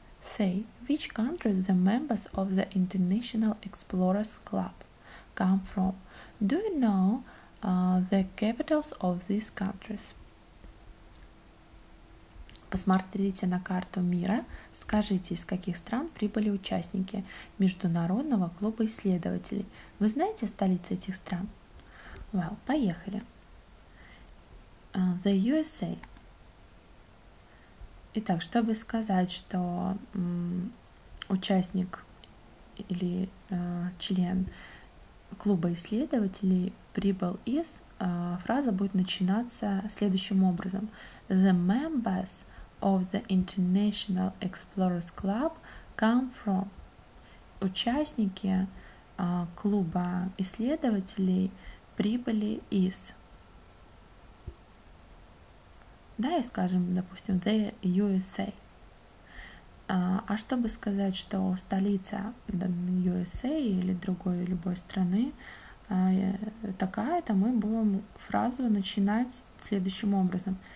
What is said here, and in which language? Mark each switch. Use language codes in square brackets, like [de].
[en] Say, which countries the members of the International Explorers Club come from? Do you know the capitals of these countries? [ru] Посмотрите на карту мира. Скажите, из каких стран прибыли участники международного клуба исследователей. Вы знаете столицы этих стран? [en] Well, [ru] поехали. [en] The USA. [ru] Итак, чтобы сказать, что участник или член клуба исследователей прибыл из, фраза будет начинаться следующим образом. [en] The members of the International Explorers Club come from. [ru] Участники клуба исследователей прибыли из. Да, и скажем, допустим, the USA. А чтобы сказать, что столица USA или другой любой страны такая-то, мы будем фразу начинать следующим образом.